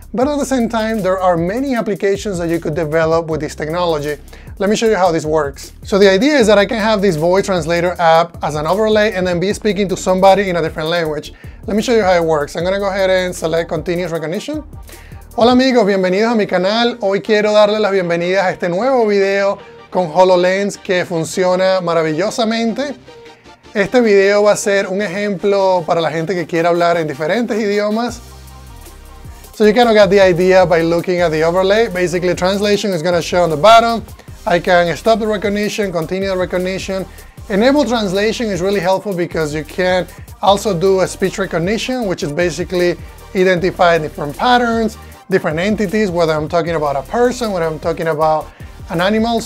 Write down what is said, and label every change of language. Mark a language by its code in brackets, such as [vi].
[en] But at the same time, there are many applications that you could develop with this technology. Let me show you how this works. So the idea is that I can have this voice translator app as an overlay and then be speaking to somebody in a different language. Let me show you how it works. I'm going to go ahead and select continuous recognition. [es] Hola amigos, bienvenidos a mi canal. Hoy quiero darle las bienvenidas a este nuevo video con HoloLens que funciona maravillosamente. Este video va a ser un ejemplo para la gente que quiere hablar en diferentes idiomas. [en] So you kind of get the idea by looking at the overlay. Basically, translation is going to show on the bottom. I can stop the recognition, continue the recognition. Enable translation is really helpful because you can also do a speech recognition, which is basically identifying different patterns, different entities, whether I'm talking about a person, whether I'm talking about an animal.